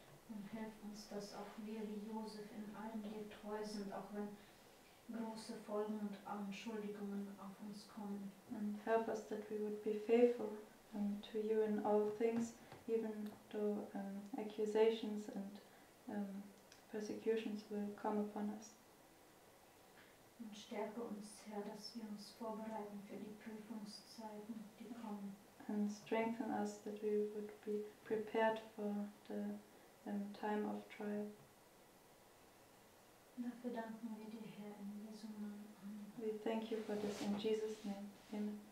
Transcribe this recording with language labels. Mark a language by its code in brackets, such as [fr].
[de] Und hilf uns, dass auch wir wie Josef in allem dir treu sind, auch wenn große Folgen und Anschuldigungen auf uns kommen. [en] And help us that we would be faithful to you in all things, even though accusations and persecutions will come upon us. [de] Und stärke uns, Herr, dass wir uns vorbereiten für die Prüfungszeiten, die kommen. [en] And strengthen us that we would be prepared for the time of trial. [de] Dafür danken wir dir, Herr, in Jesu Namen. [en] We thank you for this in Jesus' name. Amen.